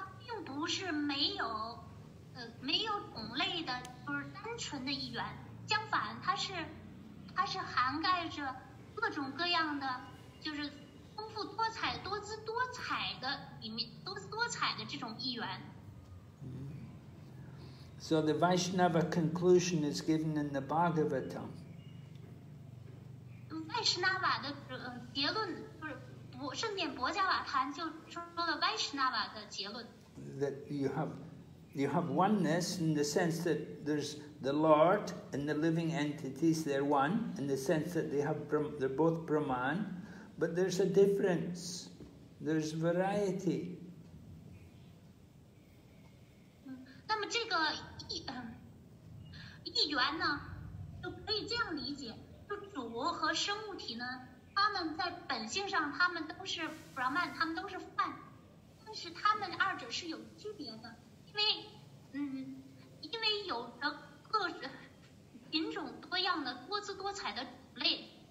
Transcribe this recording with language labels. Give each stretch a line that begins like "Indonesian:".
Chinese: 并不是没有没有种类的，就是单纯的一元，相反它是涵盖着各种各样的，就是丰富多彩多姿多彩的里面多姿多彩的这种一元。
English: So the Vaishnava conclusion is given in the Bhagavatam.
Chinese: Vaishnava 的结论不是圣典博伽瓦坛就说了 Vaishnava 的结论。
English: That you have oneness in the sense that there's the Lord and the living entities, they're one in the sense that they're both Brahman, but there's a difference. There's variety.
Chinese: 那么这个一元呢，就可以这样理解，就主和生物体呢，他们在本性上他们都是 Brahman， 他们都是梵，但是他们二者是有区别的，因为有着各品种多样的多姿多彩的种类。